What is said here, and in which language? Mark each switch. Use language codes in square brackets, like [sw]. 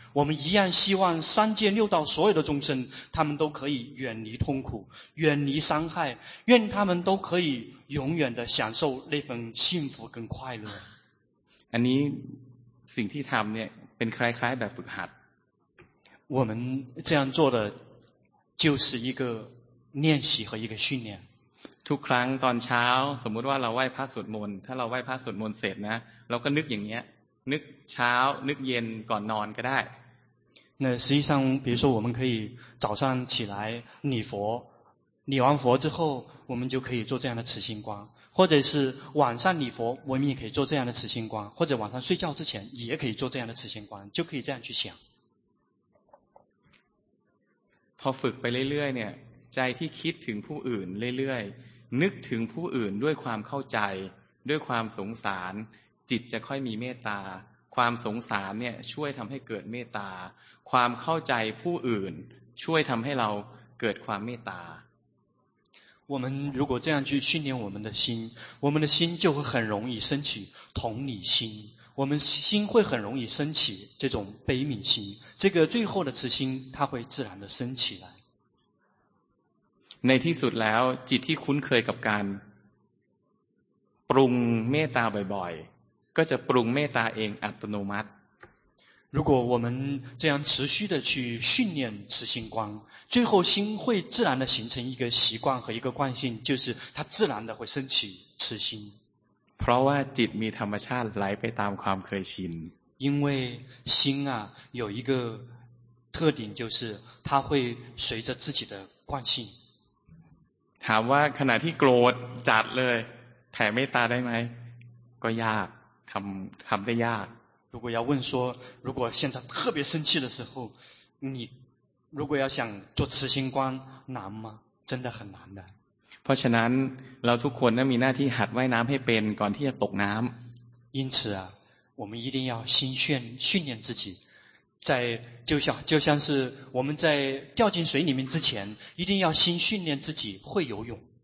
[zh] 我们一样希望三界六道所有的众生，他们都可以远离痛苦，远离伤害，愿他们都可以永远的享受那份幸福跟快乐。 [th] อันนี้สิ่งที่ทำเนี่ยเป็นคล้ายๆแบบฝึกหัด [zh] 我们这样做的就是一个练习和一个训练。 [th] ทุกครั้งตอนเช้าสมมติว่าเราไหว้พระสวดมนต์ถ้าเราไหว้พระสวดมนต์เสร็จนะเราก็นึกอย่างเงี้ยนึกเช้านึกเย็นก่อนนอนก็ได้ [zh] 那实际上比如说我们可以早上起来礼佛礼完佛之后我们就可以做这样的慈心观或者是晚上礼佛我们也可以做这样的慈心观或者晚上睡觉之前也可以做这样的慈心观就可以这样去想 [th] พอฝึกไปเรื่อยๆเนี่ยใจที่คิดถึงผู้อื่นเรื่อยๆนึกถึงผู้อื่นด้วยความเข้าใจด้วยความสงสารจิตจะค่อยมีเมตตาความสงสารเนี่ยช่วยทำให้เกิดเมตตาความเข้าใจผู้อื่นช่วยทำให้เราเกิดความเมตตา [zh] 我们如果这样去训练我们的心我们的心就会很容易升起同理心我们心会很容易升起这种悲悯心这个最后的慈心它会自然的升起来 [th] ในที่สุดแล้วจิตที่คุ้นเคยกับการปรุงเมตตาบ่อยๆก็จะปรุงเมตตาเองอัตโนมัติ [zh] 如果我们这样持续的去训练慈心观最后心会自然的形成一个习惯和一个惯性就是它自然的会升起慈心 [th] เพราะว่าจิตมีธรรมชาติไหลไปตามความเคยชิน [zh] 因为心啊有一个特点就是它会随着自己的惯性 [th] ถามว่าขณะที่โกรธจัดเลยแผ่เมตตาได้ไหมก็ยากทำได้ยาก [zh] 如果要问说如果现在特别生气的时候你如果要想做慈心观难吗真的很难的 [th] เพราะฉะนั้นเราทุกคนนะมีหน้าที่หัดว่ายน้ำให้เป็นก่อนที่จะตกน้ำ [zh] 因此啊我们一定要心训训练自己在就像是我们在掉进水里面之前一定要心训练自己会游泳